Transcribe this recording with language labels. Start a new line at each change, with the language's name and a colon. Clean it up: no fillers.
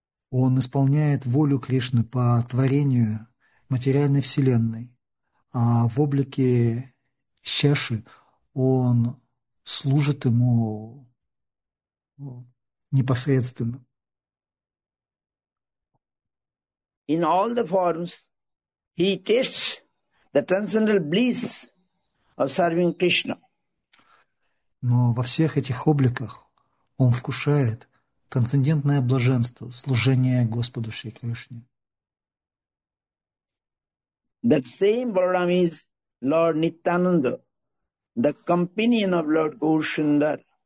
Russian: Он исполняет волю Кришны по творению материальной вселенной, а в облике Шеши он служит ему непосредственно.
English: In all the forms, he tastes the transcendental bliss of serving Krishna.
Russian: Но во всех этих обликах он вкушает трансцендентное блаженство, служение Господу Шри Кришне.
English: That same Balarama is Lord Nityananda, the companion of Lord Gaurisundara.